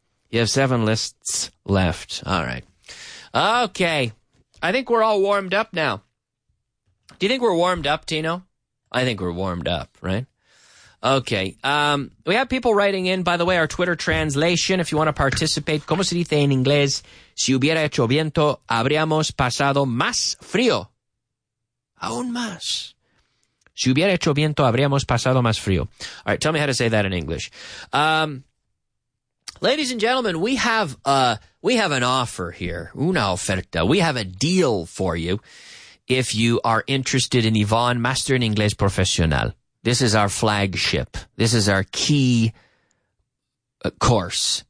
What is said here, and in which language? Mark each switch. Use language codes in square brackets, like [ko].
[en] You have seven lists left. All right. Okay. I think we're all warmed up now. Do you think we're warmed up, Tino? I think we're warmed up, right? Okay. We have people writing in, by the way, our Twitter translation. If you want to participate, [es] ¿cómo se dice en inglés? Si hubiera hecho viento, habríamos pasado más frío. Aún más. Si hubiera hecho viento, habríamos pasado más frío. [en] All right, tell me how to say that in English. Ladies and gentlemen, we have an offer here. [es] Una oferta. [en] We have a deal for you if you are interested in Yvonne, Master in Inglés Profesional. This is our flagship. This is our key course.